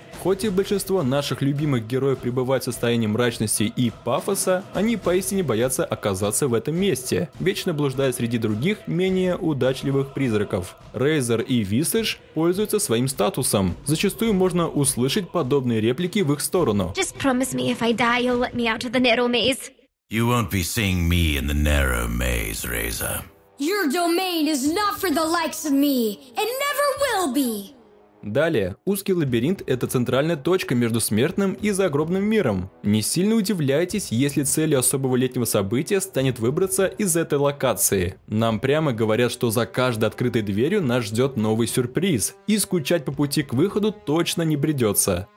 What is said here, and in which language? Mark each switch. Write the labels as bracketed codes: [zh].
[ru] Хоть и большинство наших любимых героев пребывают в состоянии мрачности и пафоса, они поистине боятся оказаться в этом месте, вечно блуждая среди других менее удачливых призраков. Рейзер и Висаж пользуются своим статусом. Зачастую можно услышать подобные реплики в их сторону. [en] Just promise me if I die, you'll let me out of the narrow maze. You won't be seeing me in the narrow maze, Rayzer. Your domain is not for the likes of me, and never will be. [ru] Далее, узкий лабиринт – это центральная точка между смертным и загробным миром. Не сильно удивляйтесь, если целью особого летнего события станет выбраться из этой локации. Нам прямо говорят, что за каждой открытой дверью нас ждет новый сюрприз, и скучать по пути к выходу точно не придется.